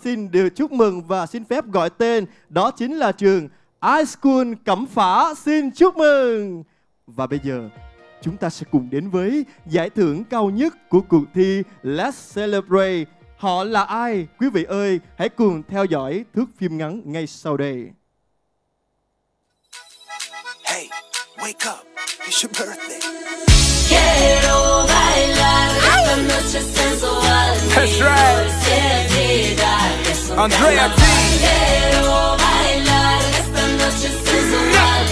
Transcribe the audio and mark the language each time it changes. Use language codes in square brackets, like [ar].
[vi] Xin được chúc mừng và xin phép gọi tên. Đó chính là trường iSchool Cẩm Phả. Xin chúc mừng. Và bây giờ chúng ta sẽ cùng đến với giải thưởng cao nhất của cuộc thi Let's Celebrate. Họ là ai? Quý vị ơi, hãy cùng theo dõi thước phim ngắn ngay sau đây. [en] Hey, wake up, it's your birthday. [es] Quiero bailar esta noche sensual. [en] That's right. Andrea T. [es] Quiero bailar esta noche sensual.